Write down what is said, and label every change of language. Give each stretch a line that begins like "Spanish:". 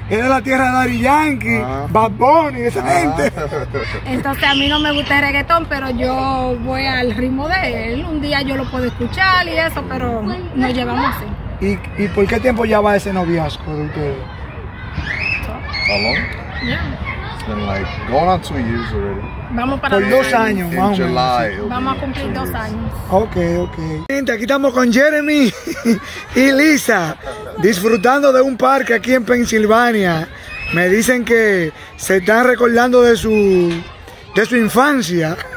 Spanish: Es de la tierra de Daddy Yankee, Bad Bunny, esa gente. Entonces, a mí no me gusta el reggaetón, pero yo voy al ritmo de él. Un día yo lo puedo escuchar y eso, pero nos llevamos así. ¿Y por qué tiempo ya va ese noviazgo de ustedes? ¿Cómo?
English: Yeah. It's been like going on 2 years already.
Spanish: Vamos para 2 años,
English: in July,
Spanish: vamos a cumplir 2 años. Okay. Gente, aquí estamos con Jeremy y Lisa disfrutando de un parque aquí en Pensilvania. Me dicen que se están recordando de su infancia.